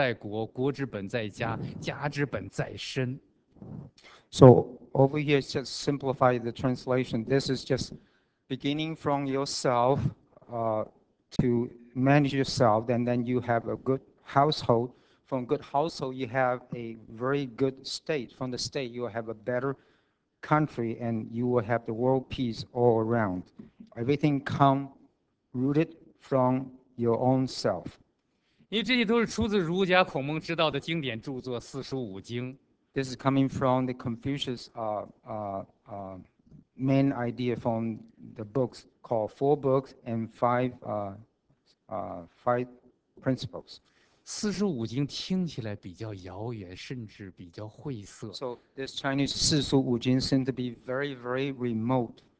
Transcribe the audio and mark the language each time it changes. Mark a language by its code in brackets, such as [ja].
[zh] 你看有修身齐国治国平天下，天下之本在国，国之本在家，家之本在身。 [en] So over here, just simplify the translation. This is just beginning from yourself to manage yourself, and then you have a good household. From good household, you have a very good state. From the state, you will have a better country, and you will have the world peace all around. Everything come rooted from your own self. [zh] 因为这些都是出自儒家孔孟之道的经典著作《四书五经》。 [en] This is coming from the Confucius main idea from the books called Four Books and Five Principles. [zh] 四书五经听起来比较遥远，甚至比较晦涩。 [en] So this Chinese 四书五经 seem to be very, very remote.